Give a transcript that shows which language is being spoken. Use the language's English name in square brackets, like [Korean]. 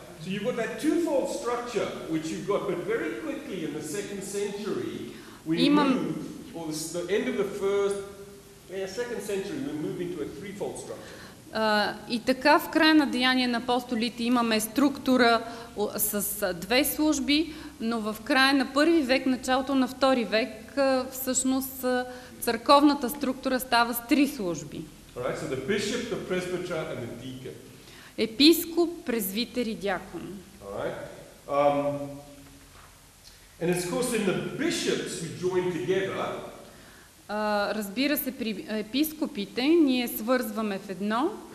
[English] So you've got that twofold structure which you've got, but very quickly in the second century we move, or the end of the first. In the second century, we're moving to a threefold structure. [Bulgarian] И така в края на деяния на апостолите имаме структура с две служби, но в края на първи век, началото на втори век, всъщност църковната структура става с три служби. [English] Right, so the bishop, the presbyter and the deacon. [Bulgarian] Епископ, презвитер и дякон. [English] And it's of course in the bishops who join together. [Bulgarian] Разбира се, при епископите ние свързваме в едно.